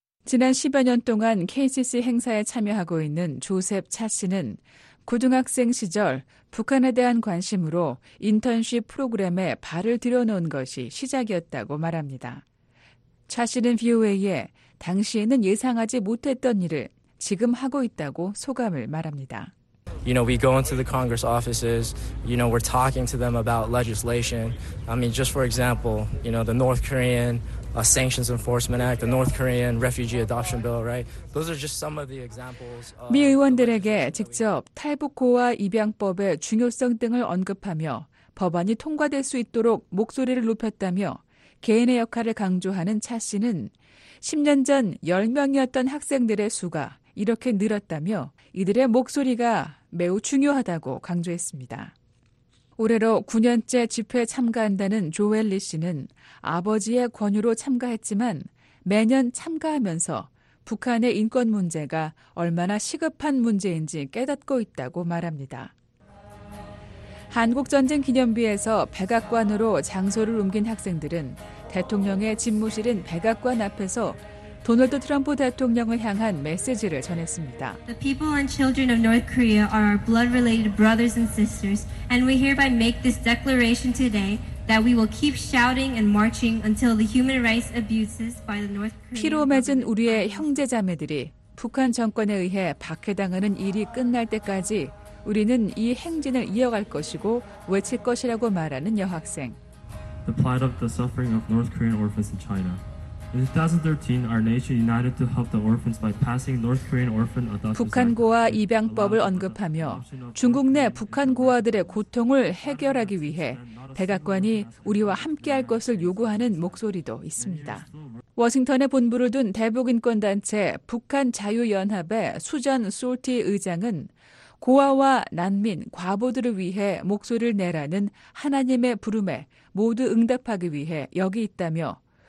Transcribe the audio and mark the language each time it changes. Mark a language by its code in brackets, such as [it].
[ko] 지난 10여 년 동안 KCC 행사에 참여하고 있는 조셉 차 씨는 고등학생 시절 북한에 대한 관심으로 인턴십 프로그램에 발을 들여놓은 것이 시작이었다고 말합니다. 차 씨는 VOA에 당시에는 예상하지 못했던 일을 지금 하고 있다고 소감을 말합니다. [en] You know, we go into the Congress offices, you know, we're talking to them about legislation. I mean, just for example, you know, the North Korean Sanctions Enforcement Act, the North Korean Refugee Adoption Bill, right? Those are just some of the examples. [ko] 미 의원들에게 직접 탈북 고아 입양법의 중요성 등을 언급하며 법안이 통과될 수 있도록 목소리를 높였다며 개인의 역할을 강조하는 차 씨는 10년 전 10명이었던 학생들의 수가 이렇게 늘었다며 이들의 목소리가 매우 중요하다고 강조했습니다. 올해로 9년째 집회에 참가한다는 조엘리 씨는 아버지의 권유로 참가했지만 매년 참가하면서 북한의 인권 문제가 얼마나 시급한 문제인지 깨닫고 있다고 말합니다. 한국전쟁 기념비에서 백악관으로 장소를 옮긴 학생들은 대통령의 집무실인 백악관 앞에서 도널드 트럼프 대통령을 향한 메시지를 전했습니다. [en] The people and children of North Korea are our blood-related brothers and sisters, and we hereby make this declaration today that we will keep shouting and marching until the human rights abuses by the North Korean [ko] 피로 맺은 우리의 형제 자매들이 북한 정권에 의해 박해당하는 일이 끝날 때까지 우리는 이 행진을 이어갈 것이고 외칠 것이라고 말하는 여학생. [en] The plight of the suffering of North Korean orphans in China. In 2013, our nation united to help the orphans by passing North Korean orphan adoption. [ko] 북한 고아 입양법을 언급하며 중국 내 북한 고아들의 고통을 해결하기 위해 백악관이 우리와 함께할 것을 요구하는 목소리도 있습니다. 워싱턴에 본부를 둔 대북 인권 단체 북한 자유 연합의 수전 솔티 의장은 고아와 난민 과보들을 위해 목소리를 내라는 하나님의 부름에 모두 응답하기 위해 여기 있다며.